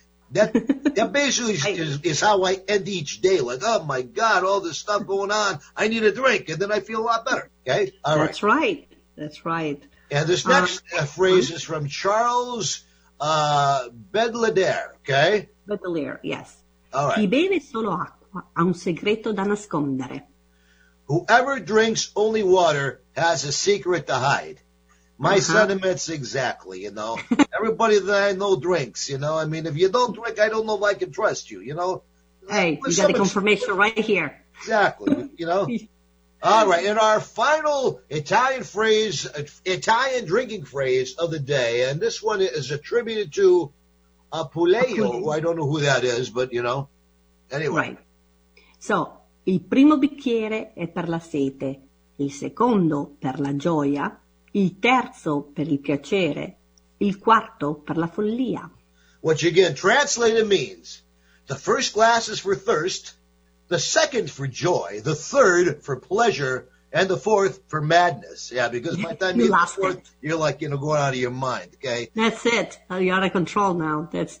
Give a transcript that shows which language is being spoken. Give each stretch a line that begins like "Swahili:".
English: That basically is how I end each day. Like, oh, my God, all this stuff going on. I need a drink, and then I feel a lot better. Okay? All right. That's right. That's right. And this next phrase is from Charles Bedelaire, okay? Bedelaire, yes. All right.
Italian: Chi beve solo acqua ha un segreto da nascondere.
English: Whoever drinks only water has a secret to hide. My sentiments exactly, Everybody that I know drinks, I mean, if you don't drink, I don't know if I can trust you, Hey, you got the confirmation right here. Exactly, All right, and our final Italian phrase, Italian drinking phrase of the day, and this one is attributed to Apuleio, who I don't know who that is, but, anyway. Right.
Italian: So, il primo bicchiere è per la sete, il secondo per la gioia. Il terzo per il piacere, il quarto per la follia.
English: Which again translated means the first glass is for thirst, the second for joy, the third for pleasure, and the fourth for madness. Yeah, because by the time you lost fourth, it. You're like, going out of your mind, okay? That's it. You're out of control now. That's